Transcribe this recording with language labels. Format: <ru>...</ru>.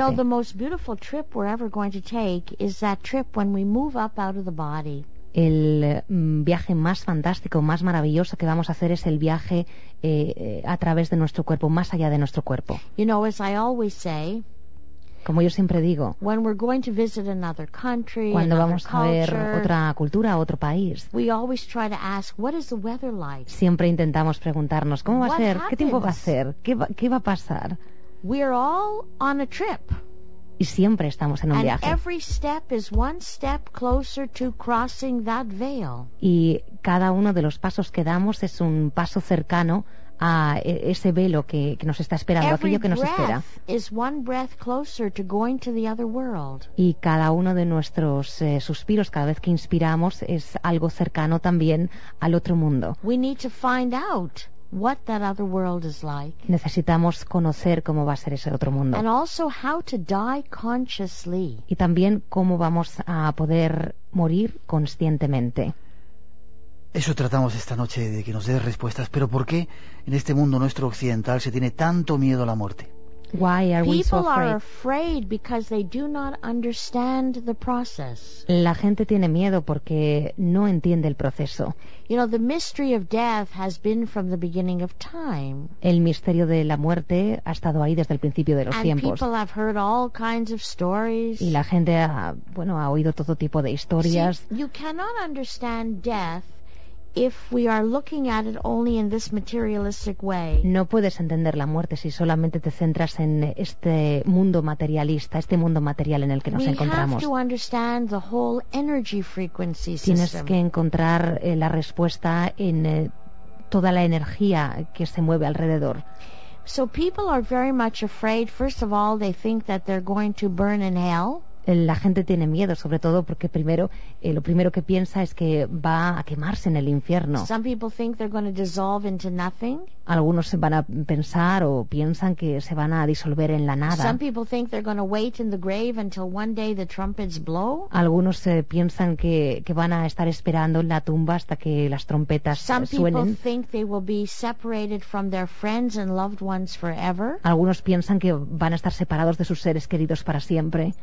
<en>You know, the most beautiful trip we're ever going to take is that trip when we move up out of the body.</en> <es>El viaje más fantástico, más maravilloso que vamos a hacer es el viaje a través de nuestro cuerpo, más allá de nuestro cuerpo.</es> <en>You know, as I always say,</en> <es>como yo siempre digo,</es> <en>when we're going to visit another country,</en> <es>cuando vamos</es> <en>another</en> <es>a ver otra cultura, otro país,</es> <en>we always try to ask, what is the weather like?</en> <es>Siempre intentamos preguntarnos, ¿cómo va a ser? ¿Qué tiempo va a ser? ¿Qué va a pasar?</es> <en>We're all on a trip.</en> <es>Y siempre estamos en un viaje.</es> <en>And every step is one step closer to crossing that veil.</en> <es>Y cada uno de los pasos que damos es un paso cercano a ese velo que nos está esperando,</es> <en>every</en> <es>aquello que nos espera.</es> <en>Is one breath closer to going to the other world.</en> <es>Y cada uno de nuestros suspiros, cada vez que inspiramos, es algo cercano también al otro mundo.</es> <en>We need to find out what that other world is like.</en> <es>Necesitamos conocer cómo va a ser ese otro mundo.</es> <en>And also how to die consciously.</en> <es>Y también cómo vamos a poder morir conscientemente. Eso tratamos esta noche, de que nos dé respuestas. Pero ¿por qué en este mundo nuestro occidental se tiene tanto miedo a la muerte?</es> <en>Why are people we so afraid? Are afraid because they do not understand the process.</en> <es>La gente tiene miedo porque no entiende el proceso.</es> <en>You know, the mystery of death has been from the beginning of time.</en> <es>El misterio de la muerte ha estado ahí desde el principio de los</es> <en>and</en> <es>tiempos.</es> <en>And people have heard all kinds of stories.</en> <es>Y la gente ha oído todo tipo de historias.</es> <en>See, you cannot understand death if we are looking at it only in this materialistic way.</en> <es>No puedes entender la muerte si solamente te centras en este mundo materialista, este mundo material en el que nos encontramos.</es> <en>We have to understand the whole energy frequency system.</en> <es>Tienes que encontrar la respuesta en toda la energía que se mueve alrededor.</es> <en>So people are very much afraid. First of all, they think that they're going to burn in hell.</en> <es>La gente tiene miedo, sobre todo porque primero, lo primero que piensa es que va a quemarse en el infierno.</es> <en>Some people think they're going to dissolve into nothing.</en> <es>Algunos van a pensar o piensan que se van a disolver en la nada.</es> <en>Some people think they're going to wait in the grave until one day the trumpets blow.</en> <es>Algunos piensan que van a estar esperando en la tumba hasta que las trompetas suenen.</es> <en>Some people think they will be separated from their friends and loved ones forever.</en> <es>Algunos piensan que van a estar separados de sus seres queridos para siempre.</es>